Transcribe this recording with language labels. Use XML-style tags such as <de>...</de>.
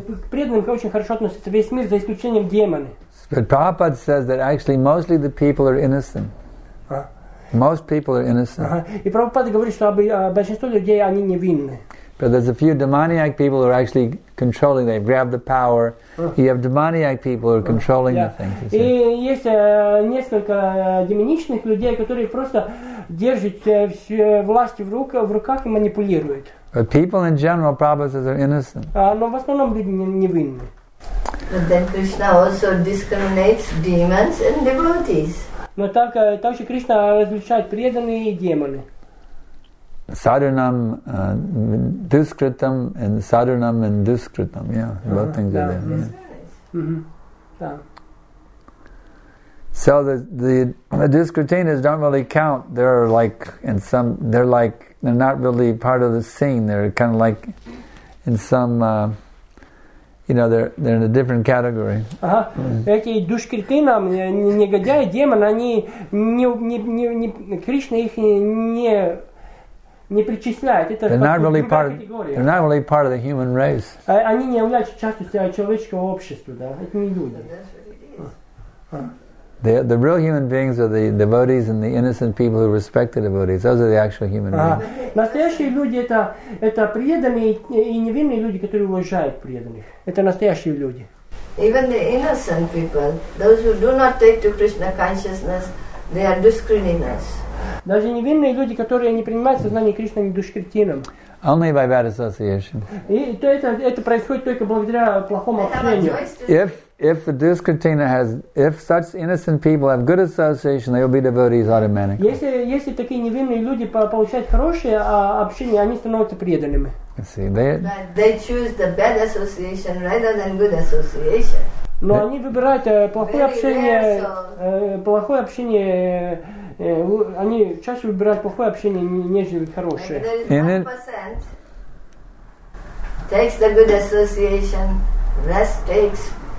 <ru>Преданный очень хорошо относится весь мир, за исключением демонов.</ru> <en>But Prabhupada says that actually mostly the people are innocent. Most people are innocent.</en> <ru>И Прабхупада говорит, что большинство людей они невинны.</ru> <en>But there's a few demoniac people who are actually controlling. They've grabbed the power. You have demoniac people who are controlling the things.</en> <ru>И есть несколько демоничных людей, которые просто держат всю власть в руках и манипулируют.</ru> <en>But people in general, Prabhupada says, are innocent.</en> <ru>Но в основном люди невинны.</ru> <en>But then Krishna also discriminates demons and devotees.</en> <ru>Но также Кришна различает преданные и демоны.</ru> <sa>Sadhanam duskritam and sadhanam and duskritam.</sa> <en>Yeah, both things are there. Yeah. Yes. Mm-hmm. Yeah. So the duskritinas don't really count. They're like in some. They're like they're not really part of the scene. They're kind of like in some. You know, they're in a different category.</en> <ru>Эти душкритинам, негодяи, демоны, они не Кришна их не причисляет.</ru> <en>They're not really part of the human race.</en> <ru>Они не являются частью человеческого общества, да? Это не люди.</ru> <en>The real human beings are the devotees and the innocent people who respect the devotees. Those are the actual human beings.</en> <ru>Настоящие люди это преданные и невинные люди, которые уважают преданных. Это настоящие люди.</ru> <en>Even the innocent people, those who do not take to Krishna consciousness, they are duskritinas.</en> <ru>Даже невинные люди, которые не принимают сознание Кришны, они душкритинам.</ru> <en>Only by bad association.</en> <ru>И то это происходит только благодаря плохому общению.</ru> <en>If the duskritina has, if such innocent people have good association, they will be devotees automatically.</en> <ru>Если такие невинные люди получают хорошее общение, они становятся преданными.</ru> <en>See, they. But they choose the bad association rather than good association.</en> <ru>Но они выбирают плохое общение. Они чаще выбирают плохое общение, нежели хорошее.</ru> <en>And there is 1% takes the good association, rest takes.</en>